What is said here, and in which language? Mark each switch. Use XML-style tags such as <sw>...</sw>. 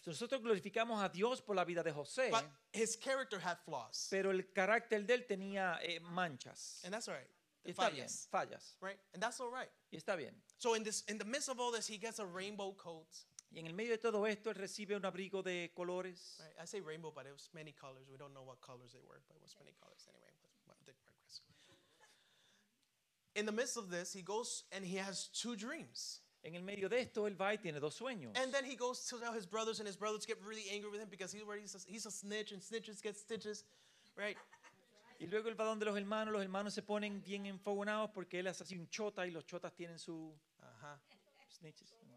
<es>Nosotros glorificamos a Dios por la vida de José.</es> <en>But his character had flaws.</en> <es>Pero el carácter de él tenía manchas.</es> <en>And that's all right.</en> <es>Fallas.</es> <en>Right? And that's all right.</en> <es>Y está bien.</es> <en>So in the midst of all this, he gets a rainbow coat.</en> <es>Y en el medio de todo esto, él recibe un abrigo de colores.</es> <en>Right? I say rainbow, but it was many colors. We don't know what colors they were, but it was many colors anyway. In the midst of this, he goes and he has two dreams.</en> <es>En el medio de esto, él va y tiene dos sueños.</es> <en>And then he goes to tell his brothers, and his brothers get really angry with him because he's a snitch, and snitches get stitches, right?</en> <es>Y luego el padrón de los hermanos se ponen bien enfogonados porque él hace así un chota y los chotas tienen su</es> <en>snitches.</en>